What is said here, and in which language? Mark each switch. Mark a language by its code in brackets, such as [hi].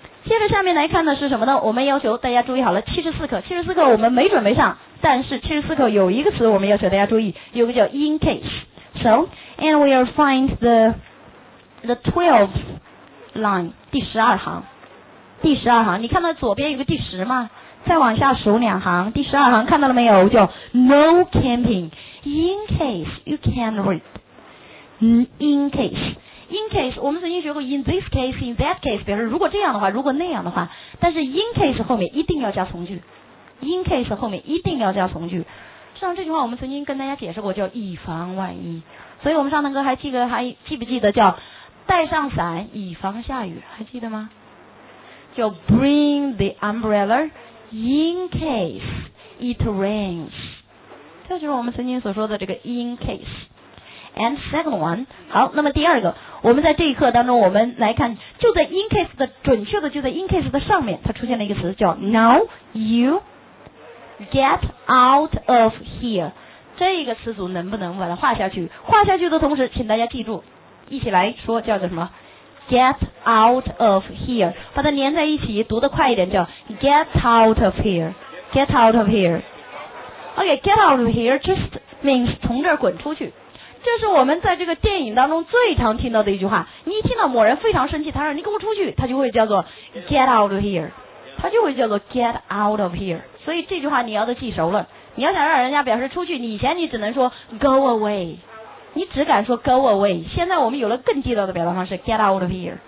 [zh] 接着下面来看的是什么呢？我们要求大家注意好了，74课我们没准备上，但是74课有一个词我们要求大家注意，有个叫 in case. [en] So, and we'll find the 12th line, [zh] 第十二行，你看到左边有个第十吗？再往下数两行，第十二行看到了没有？叫 [en] no camping, in case you can read. In case. [zh] In case, 我们曾经学过 [en] in this case, in that case, [zh] 比如说如果这样的话，如果那样的话，但是 in case 后面一定要加从句。 In case 后面一定要加从句。实际上这句话我们曾经跟大家解释过，叫以防万一。所以我们上堂课还记不记得叫带上伞以防下雨，还记得吗？叫 [en] bring the umbrella in case it rains. [zh] 这就是我们曾经所说的这个 in case. [en] And second one, [zh] 好，那么第二个，我们在这一课当中，我们来看，就在 in case 的准确的就在 in case 的上面，它出现了一个词叫 [en] Now you get out of here. [zh] 这个词组能不能把它画下去？画下去的同时，请大家记住，一起来说叫做什么 ？ [en] Get out of here. [zh] 把它连在一起，读得快一点，叫 [en] Get out of here. Get out of here. Okay, get out of here just means [zh] 从这儿滚出去。这是我们在这个电影当中最常听到的一句话，你一听到某人非常生气，他说你给我出去，他就会叫做 [en] get out of here， [zh] 他就会叫做 get out of here。所以这句话你要都记熟了，你要想让人家表示出去，你以前你只能说 [en] go away， [zh] 你只敢说 go away， 现在我们有了更地道的表达方式 [en] get out of here。